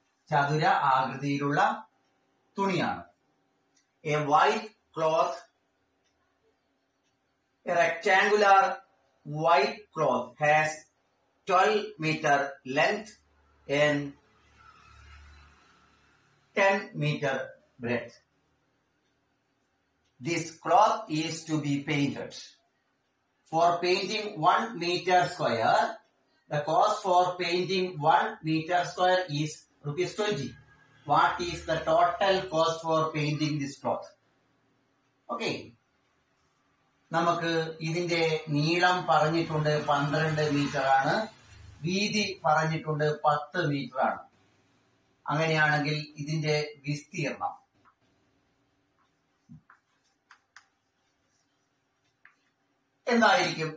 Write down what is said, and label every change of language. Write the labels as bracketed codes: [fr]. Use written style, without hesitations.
[ml] ചതുര ആകൃതിയിലുള്ള തുണിയാണ്. [en] A white cloth, a rectangular white cloth has 12 metre length and 10 metre breadth. This cloth is to be painted. For painting 1 meter square, the cost for painting 1 meter square is rupees 20. What is the total cost for painting this cloth? Okay. [ml] നമുക്ക് ഇതിന്റെ നീളം പറഞ്ഞിട്ടുണ്ട് 12 meter ആണ്, വീതി പറഞ്ഞിട്ടുണ്ട് 10 meter ആണ്. അങ്ങനെയാണെങ്കിൽ ഇതിന്റെ വിസ്തീർണം എന്തായിരിക്കും?